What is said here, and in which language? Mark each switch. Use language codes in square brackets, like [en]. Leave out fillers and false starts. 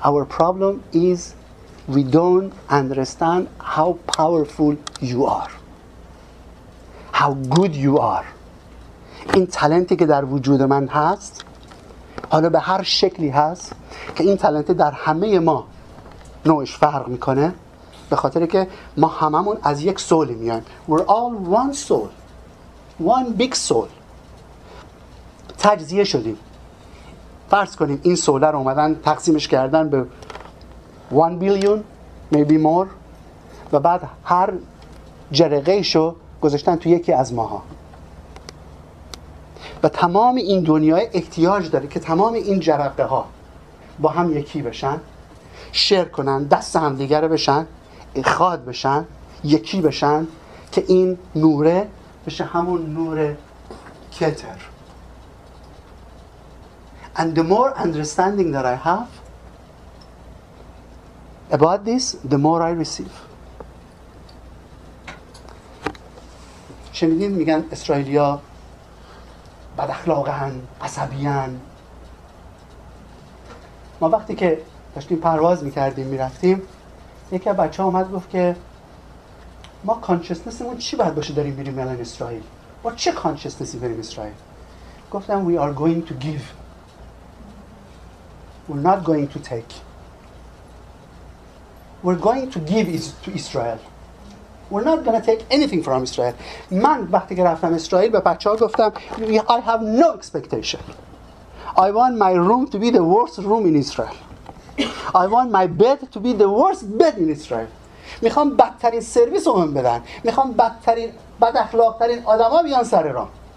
[en] Our problem is we don't understand how powerful you are. How good you are. [fa] این تالنتی که در وجود من هست، حالا به هر شکلی هست که این تالنت در همه ما نوعش فرق میکنه، به خاطر که ما هممون از یک سول میایم. [en] We're all one soul. One big soul. [fa] تجزیه شدیم. فرض کنیم این سوله رو اومدن تقسیمش کردن به 1 بیلیون [en] maybe more [fa] و بعد هر جرقه‌شو گذاشتن تو یکی از ماها و تمام این دنیای احتیاج داره که تمام این جرقه ها با هم یکی بشن، شیر کنن، دست هم دیگر بشن، اخاد بشن، یکی بشن، که این نوره بشه همون نور کتر. [en] And the more understanding that I have about this, the more I receive. [fa] شنیدین میگن اسرائیلیا بد اخلاقن، عصبیان. ما وقتی که داشتیم پرواز میکردیم میرفتیم، یکی از بچه‌ها اومد گفت که ما کانشسنسمون چی باید باشه داریم میریم الان اسرائیل؟ با چه کانشسنسی بریم اسرائیل؟ گفتم [en] we are going to give. We're not going to take. We're going to give it to Israel. We're not going to take anything from Israel. [fa] من وقتی که رفتم اسرائیل به بچه‌ها گفتم [en] I have no expectation. I want my room to be the worst room in Israel. I want my bed to be the worst bed in Israel. [fa] میخوام بدترین سرویس رو من بدن. میخوام بدترین بد اخلاق ترین آدم ها بیان سر راه.